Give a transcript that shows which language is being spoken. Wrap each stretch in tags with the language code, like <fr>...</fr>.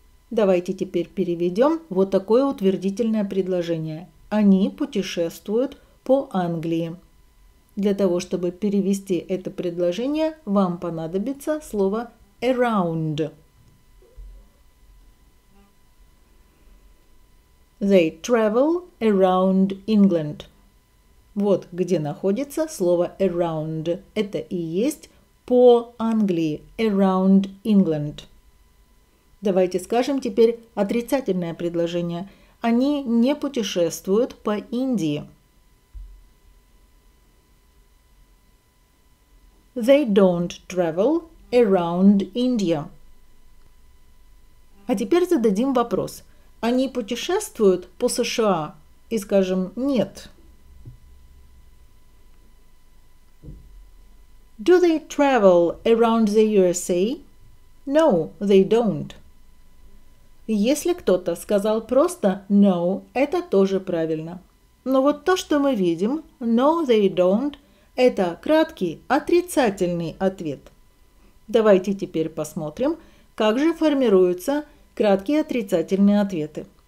<ru>Давайте теперь переведем вот такое утвердительное предложение. Они путешествуют по Англии. Для того, чтобы перевести это предложение, вам понадобится слово around.</ru> <en>They travel around England.</en> <ru>Вот где находится слово around. Это и есть по Англии.</ru> <en>Around England.</en> <ru>Давайте скажем теперь отрицательное предложение. Они не путешествуют по Индии.</ru> <en>They don't travel around India.</en> <ru>А теперь зададим вопрос. Они путешествуют по США? И скажем нет.</ru> <en>Do they travel around the USA? No, they don't.</en> <ru>Если кто-то сказал просто no, это тоже правильно. Но вот то, что мы видим,</ru> <en>no, they don't,</en> <ru>это краткий, отрицательный ответ. Давайте теперь посмотрим, как же формируются краткие отрицательные ответы.</ru>